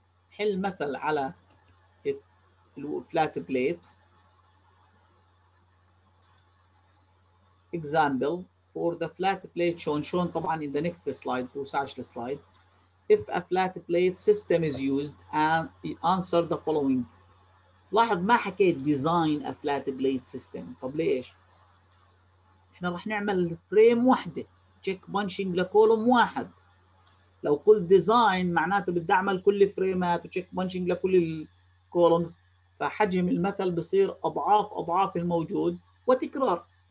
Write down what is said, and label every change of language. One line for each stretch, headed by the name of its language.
Arabic: حل مثل على
English: الفلات plate example for the flat plate شلون طبعا in the next slide 19 slide. If a flat plate system is used and answer the following.
Arabic: لاحظ ما حكيت
English: design a flat plate system.
Arabic: طب ليش؟ احنا راح نعمل فريم واحدة check bunching لكولوم واحد. لو قلت design معناته بدي اعمل كل فريمات وcheck bunching لكل الكولومز، فحجم المثل بصير اضعاف اضعاف الموجود وتكرار.